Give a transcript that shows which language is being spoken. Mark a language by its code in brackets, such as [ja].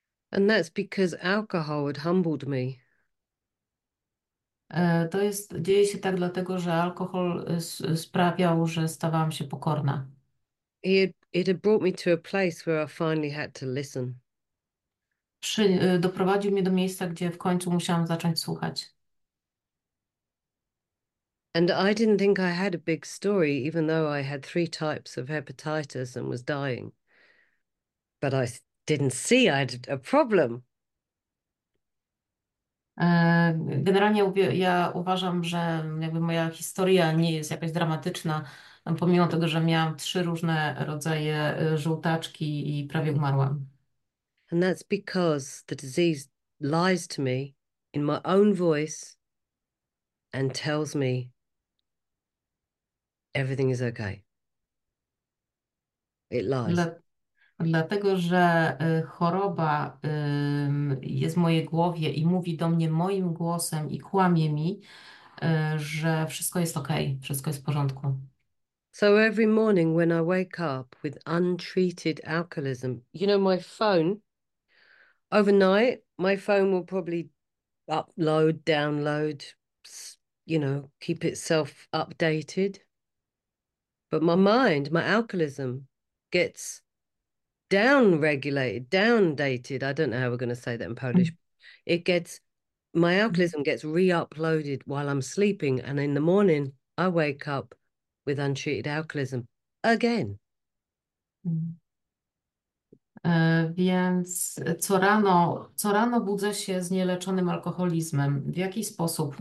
[en] And that's because alcohol had humbled me. [pl] Dzieje się tak dlatego, że alkohol sprawiał, że stawałam się pokorna. [en] It had brought me to a place where I finally had to listen. [pl] Doprowadził mnie do miejsca, gdzie w końcu musiałam zacząć słuchać. [en] And I didn't think I had a big story, even though I had three types of hepatitis and was dying. But I didn't see I had a problem. [pl] Generalnie ja uważam, że jakby moja historia nie jest jakaś dramatyczna, pomimo tego, że miałam trzy różne rodzaje żółtaczki i prawie umarłam. [en] And that's because the disease lies to me in my own voice and tells me everything is okay. It lies. [pl] Dlatego, że choroba jest w mojej głowie i mówi do mnie moim głosem i kłamie mi, że wszystko jest okej, wszystko jest w porządku. [en] So every morning when I wake up with untreated alcoholism, you know, my phone, overnight, my phone will probably upload, download, you know, keep itself updated. But my mind, my alcoholism gets down regulated, down dated. I don't know how we're going to say that in Polish. My alcoholism gets re-uploaded while I'm sleeping, and in the morning, I wake up with untreated alcoholism again. [pl] Więc co rano budzę się z nieleczonym alkoholizmem. W jaki sposób?